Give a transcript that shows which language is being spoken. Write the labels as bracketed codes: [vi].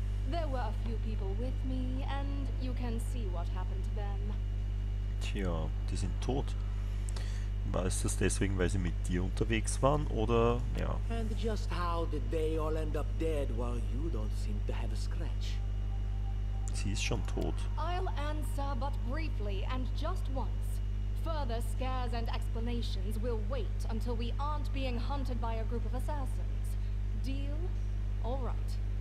[en] There were a few people with me, and you can see what happened to them. [de] Tja, die sind tot. War es das deswegen, weil sie mit dir unterwegs waren, oder ja? [en] And just how did they all end up dead, while you don't seem to have a scratch? [de] Sie ist schon tot. [en] I'll answer, but briefly and just once. Further scares and explanations will wait until we aren't being hunted by a group of assassins. Deal? All right.